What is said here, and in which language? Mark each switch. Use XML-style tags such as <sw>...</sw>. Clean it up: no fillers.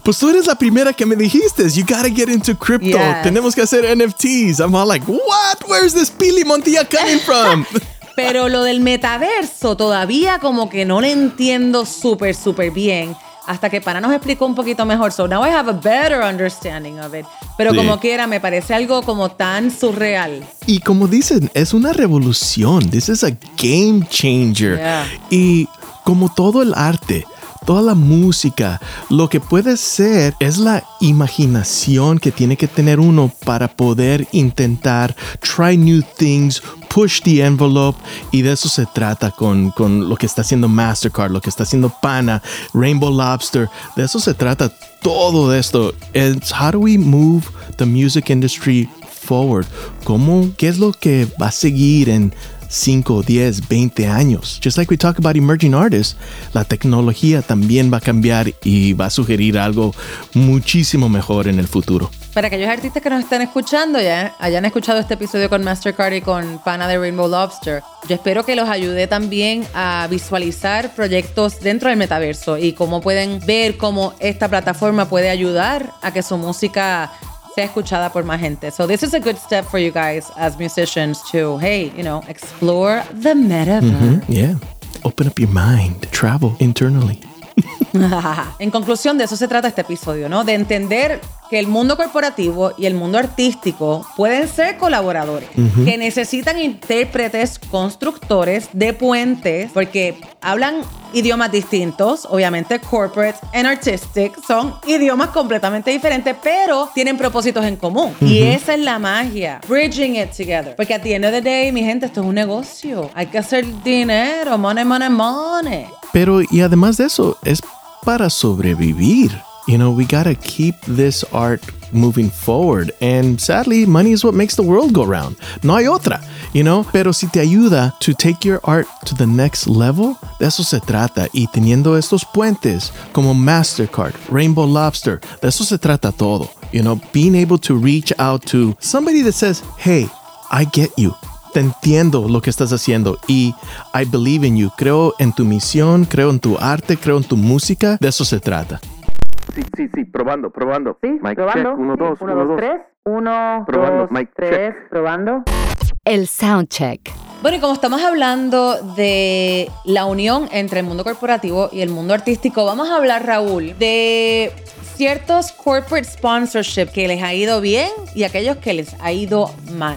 <es>Pues tú eres la primera que me dijiste,</es> <en>you gotta get into crypto. Yes.</en> <es>Tenemos que hacer NFTs.</es> <en>I'm all like, what? Where's this Pili Montilla coming from?</en> <es>Pero lo del metaverso todavía como que no lo entiendo súper, súper bien. Hasta que Pana nos explicó un poquito mejor.</es> <en>So now I have a better understanding of it.</en> <es>Pero sí, como quiera, me parece algo como tan surreal. Y como dicen, es una revolución.</es> <en>This is a game changer. Yeah.</en> <es>Y como todo el arte, toda la música, lo que puede ser es la imaginación que tiene que tener uno para poder intentar</es> <en>try new things, push the envelope,</en> <es>y de eso se trata con lo que está haciendo Mastercard, lo que está haciendo Pana, Rainbow Lobster, de eso se trata todo esto.</es> <en>It's how do we move the music industry forward?</en> <es>¿Cómo, qué es lo que va a seguir en 5, 10, 20 años?</es> <en>Just like we talk about emerging artists,</en> <es>la tecnología también va a cambiar y va a sugerir algo muchísimo mejor en el futuro. Para aquellos artistas que nos están escuchando ya, hayan escuchado este episodio con Mastercard y con Pana de Rainbow Lobster, yo espero que los ayude también a visualizar proyectos dentro del metaverso y cómo pueden ver cómo esta plataforma puede ayudar a que su música sea escuchada por más gente.</es> <en>So this is a good step for you guys as musicians to, hey, you know, explore the metaverse. Mm-hmm, yeah. Open up your mind. Travel internally.</en> <es>En conclusión, de eso se trata este episodio, ¿no? De entender que el mundo corporativo y el mundo artístico pueden ser colaboradores, uh-huh. que necesitan intérpretes, constructores de puentes, porque hablan idiomas distintos, obviamente</es> <en>corporate and artistic</en> <es>son idiomas completamente diferentes, pero tienen propósitos en común. Uh-huh. Y esa es la magia,</es> <en>bridging it together.</en> <es>Porque</es> <en>at the end of the day,</en> <es>mi gente, esto es un negocio. Hay que hacer dinero,</es> <en>money, money, money.</en> <es>Pero y además de eso, es para sobrevivir.</es> <en>You know, we gotta keep this art moving forward. And sadly, money is what makes the world go round.</en> <es>No hay otra,</es> <en>you know.</en> <es>Pero si te ayuda</es> <en>to take your art to the next level,</en> <es>de eso se trata. Y teniendo estos puentes como Mastercard, Rainbow Lobster, de eso se trata todo.</es> <en>You know, being able to reach out to somebody that says, hey, I get you.</en> <es>Te entiendo lo que estás haciendo y</es> <en>I believe in you.</en> <es>Creo en tu misión, creo en tu arte, creo en tu música. De eso se trata. Sí, sí, sí, probando, probando. Sí, mic probando. Check. Uno, sí. Dos, uno, dos, tres. Uno, probando. Dos, mic tres. Check. Probando. El sound check. Bueno, y como estamos hablando de la unión entre el mundo corporativo y el mundo artístico, vamos a hablar, Raúl, de ciertos corporate sponsorship que les ha ido bien y aquellos que les ha ido mal.</es>